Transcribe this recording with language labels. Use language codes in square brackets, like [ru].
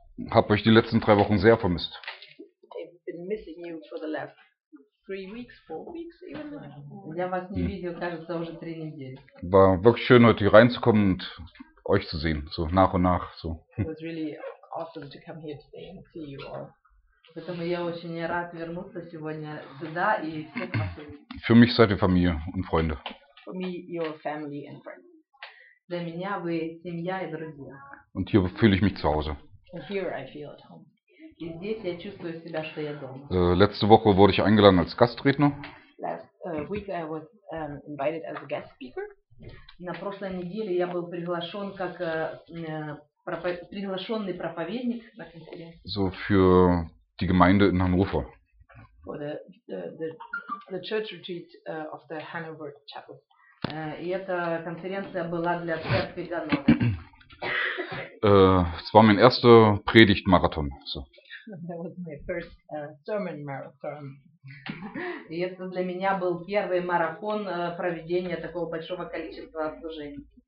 [de] Hab euch die letzten drei Wochen sehr vermisst. War wirklich schön, heute hier reinzukommen und euch zu sehen, so nach und nach. So. [en] Awesome to come here today and see you all. [ru] Поэтому я очень рад вернуться сегодня сюда и всех вас увидеть. [de] Für mich seid ihr Familie und Freunde. [en] For me, you're family and friends. [ru] Для меня вы семья и друзья. [de] Und hier fühle ich mich zu Hause. [en] And here I feel at home. [ru] И здесь я чувствую себя, что я дома. [de] Letzte Woche wurde ich eingeladen als Gastredner. [en] Last week I was invited as a guest speaker. [ru] На прошлой неделе я был приглашен как приглашенный проповедник на конференции. [de] So für die Gemeinde in Hannover. [en] For the church retreat of the Hanover Chapel. [ru] И эта конференция была для церкви Ганновера. [de] Es war mein erster Predigtmarathon. So. [en] That was my first sermon marathon. [ru] И это для меня был первый марафон проведения такого большого количества служений.